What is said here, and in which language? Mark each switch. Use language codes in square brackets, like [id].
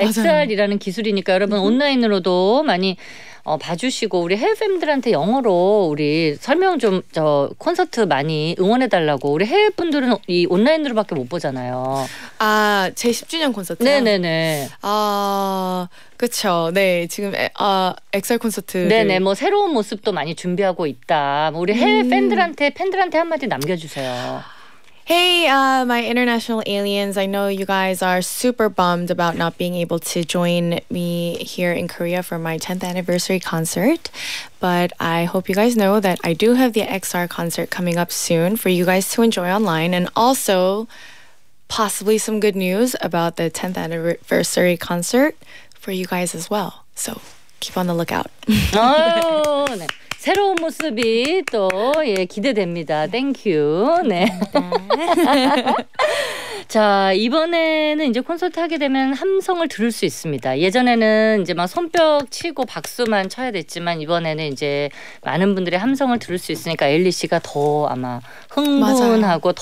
[ko] XR이라는 기술이니까 여러분 온라인으로도 많이 봐주시고 우리 해외팬들한테 영어로 우리 설명 좀 저 콘서트 많이 응원해달라고 우리 해외분들은 이 온라인으로밖에 못 보잖아요. 아, 제 10주년 콘서트요? 네네네. 아, 그쵸. 네, 지금 XR 콘서트. 네네, 뭐 새로운 모습도 많이 준비하고 있다. 뭐 우리 해외팬들한테 팬들한테 한마디 남겨주세요. [en] Hey, my international aliens, I know you guys are super bummed about not being able to join me here in Korea for my 10th anniversary concert, but I hope you guys know that I do have the XR concert coming up soon for you guys to enjoy online, and also possibly some good news about the 10th anniversary concert for you guys as well. So keep on the lookout. Oh, nice. [ko] 새로운 모습이 또 예, 기대됩니다. 땡큐. 네. 자, 이번에는 이제 콘서트 하게 되면 함성을 들을 수 있습니다. 예전에는 이제 막 손뼉 치고 박수만 쳐야 됐지만 이번에는 이제 많은 분들의 함성을 들을 수 있으니까 엘리 씨가 더 아마 흥분하고 맞아요.